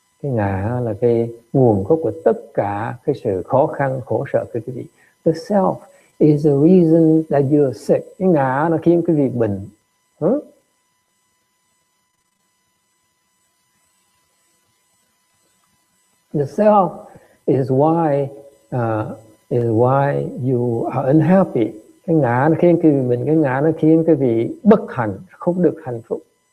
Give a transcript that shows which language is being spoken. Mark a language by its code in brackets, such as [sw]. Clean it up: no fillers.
[vi] Cái ngã là cái nguồn gốc của tất cả cái sự khó khăn, khổ sở của quý vị. [en] The self is the reason that you're sick. [vi] Cái ngã nó khiến quý vị bệnh. Huh? [en] The self is why you are unhappy. [vi] Cái ngã nó khiến quý vị mình, cái ngã nó khiến quý vị bất hạnh, không được hạnh phúc.